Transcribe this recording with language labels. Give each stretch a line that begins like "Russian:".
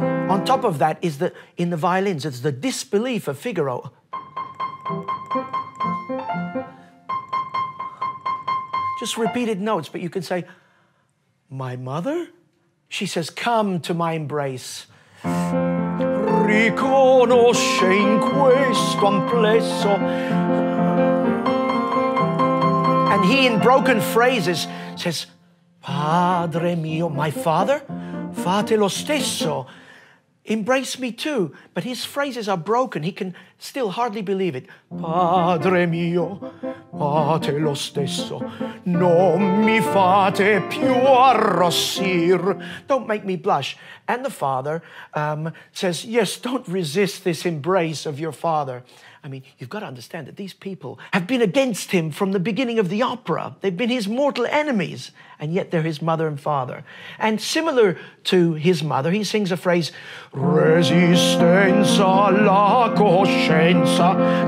English: On top of that is the, in the violins, it's the disbelief of Figaro. Just repeated notes, but you can say, my mother? She says, come to my embrace.
Italian: Riconosce in questo amplesso.
English: And he, in broken phrases, says,
Italian: padre mio,
English: my father?
Italian: Fate lo stesso.
English: Embrace me too. But his phrases are broken. He can still hardly believe it.
Italian: Padre mio, fate lo stesso. Non mi fate più arrossir.
English: Don't make me blush. And the father says, yes, don't resist this embrace of your father. I mean, you've got to understand that these people have been against him from the beginning of the opera. They've been his mortal enemies, and yet they're his mother and father. And similar to his mother, he sings a phrase,
Italian: resistenza alla coscienza.